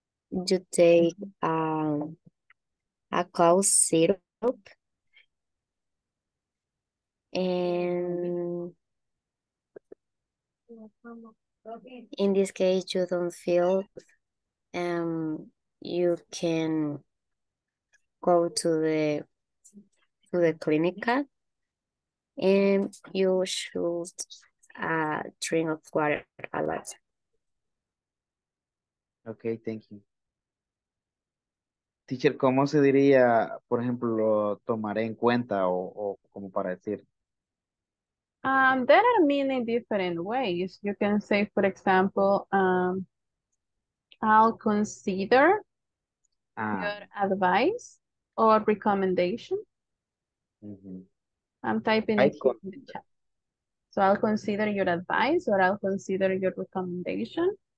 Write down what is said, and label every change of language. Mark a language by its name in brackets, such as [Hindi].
[English] You take a cough syrup and in this case you don't feel you can go to the clinic and you should drink of water a lot. Okay, thank you. [Spanish] Teacher, ¿cómo se diría, por ejemplo, tomaré en cuenta o como para decir? [English] There are many different ways. You can say, for example, I'll consider your advice or recommendation. I'm typing it in the chat. So I'll consider your advice or I'll consider your recommendation.